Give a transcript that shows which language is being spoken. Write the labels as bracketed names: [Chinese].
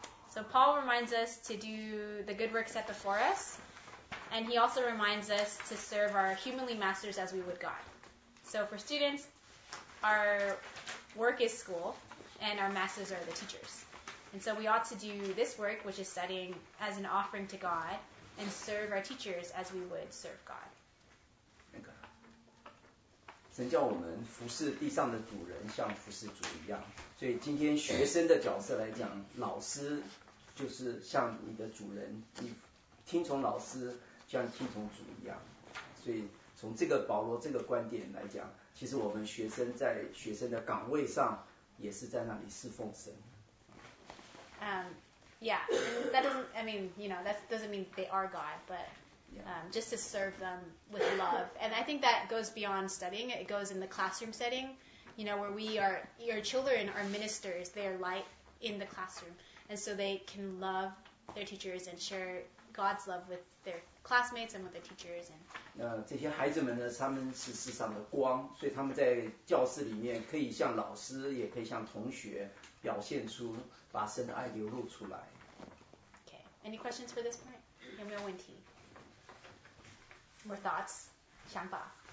[English] So Paul reminds us to do the good work set before us, and he also reminds us to serve our humanly masters as we would God. So for students, our work is school, and our masters are the teachers. And so we ought to do this work, which is studying, as an offering to God, and serve our teachers as we would serve God. [Chinese] 那个，神叫我们服侍地上的主人，像服侍主一样。所以今天学生的角色来讲，老师就是像你的主人，你听从老师，像听从主一样。所以从这个保罗这个观点来讲，其实我们学生在学生的岗位上，也是在那里侍奉神。 [English] Yeah, and that doesn't, I mean, you know, that doesn't mean they are God, but just to serve them with love. And I think that goes beyond studying. It goes in the classroom setting, you know, where your children are ministers, they are light in the classroom. And so they can love their teachers and share God's love with their classmates and with their teachers. And [Chinese] 这些孩子们呢，他们是世上的光，所以他们在教室里面可以向老师，也可以向同学表现出把神的爱流露出来。 [English] Okay, any questions for this point? [Chinese] 有没有问题？ [English] More thoughts? [Chinese] 想法？